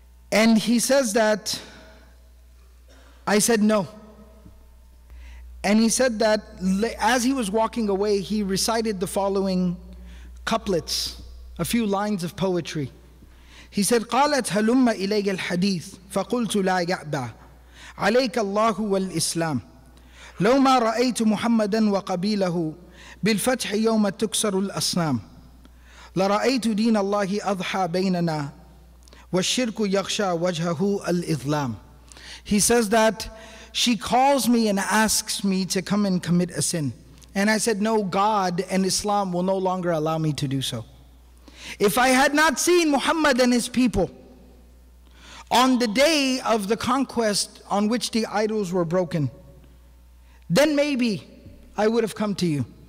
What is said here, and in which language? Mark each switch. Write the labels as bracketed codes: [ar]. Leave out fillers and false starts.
[en] And he says that I said no. And he said that as he was walking away, he recited the following couplets, a few lines of poetry. He said, [ar] "قالت هلم إلي الحديث فقلت لا يأبى عليك الله والإسلام لو ما رأيت محمدا وقبيله بالفتح يوم تكسر الأصنام لرأيت دين الله أضحى بيننا وَالشِّرْكُ يَخْشَى وَجْهَهُ الْإِظْلَامِ." [en] He says that she calls me and asks me to come and commit a sin. And I said, "No, God and Islam will no longer allow me to do so. If I had not seen Muhammad and his people on the day of the conquest on which the idols were broken, then maybe I would have come to you.